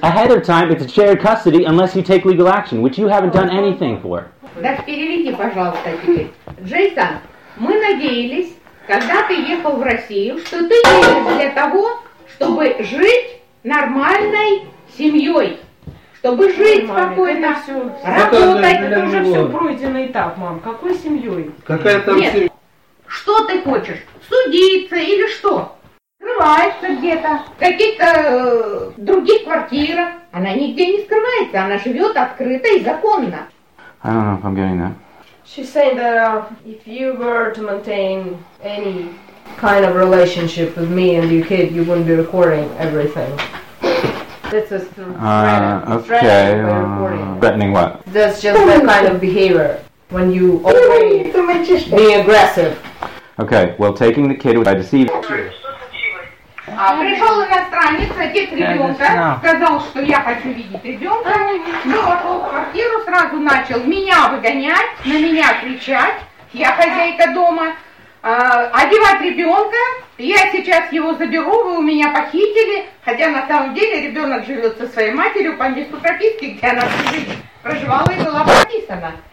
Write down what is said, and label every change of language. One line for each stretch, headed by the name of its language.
English: Ahead of time, it's a shared custody unless you take legal action, which you haven't done anything for. Jason, we hoped when you came to Russia that you came here for the purpose of living with a normal family.
Russian: Чтобы жить спокойно, все, работать, это уже все пройденный этап, мам. Какой семьей? Какая там нет. Семья? Что ты хочешь? Судиться или что? Скрывается где-то, в каких-то других квартирах. Она нигде не скрывается, она живет открыто и законно.
English: I don't know if I'm getting that. She's saying that if you were to maintain any kind of relationship with me and your kid, you wouldn't be recording everything. This is threatening. Okay. what? That's just the kind of behavior when you operate, be aggressive. Okay, well, taking the kid, I deceived you.
Russian: Пришел иностранец, отец ребенка, сказал, что я хочу видеть ребенка. Ну, квартиру сразу начал меня выгонять, на меня кричать. Я хозяйка дома. Одевать ребенка, я сейчас его заберу, вы у меня похитили, хотя на самом деле ребенок живет со своей матерью по месту прописки, где она проживала и была прописана.